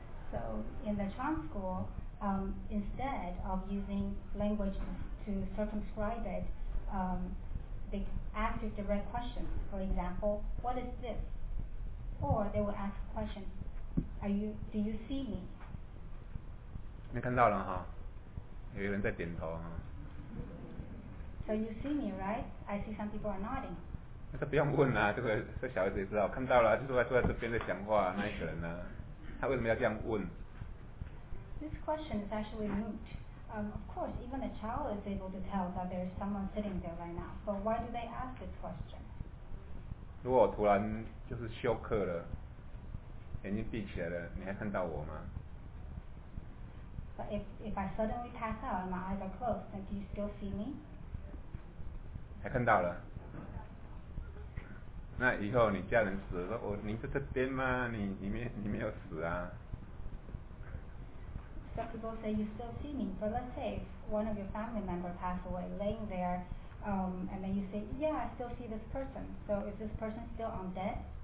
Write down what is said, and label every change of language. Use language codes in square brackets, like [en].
[en] So in the Chan school, instead of using language to circumscribe it, they ask a direct question. For example, what is this? Or they will ask a question, do you see me? [zh] 你看到了哈，有人在点头哈。 [en] So you see me, right? I see some people are nodding. [zh] 那就不用问啦，这小孩子也知道，看到了，就是坐在这边在讲话那一个人呢，他为什么要这样问？ [en] This question is actually moot. Of course, even a child is able to tell that there is someone sitting there right now. But why do they ask this question? [zh] 如果我突然就是休克了，眼睛闭起来了，你还看到我吗？ [en] But if I suddenly pass out and my eyes are closed, then do you still see me? [zh] 还看到了，那以后你家人死了，说你在这边吗？你没有死啊。 [en] Some people say you still see me, but let's say one of your family member passed away, laying there, and then you say, yeah, I still see this person. So is this person still undead?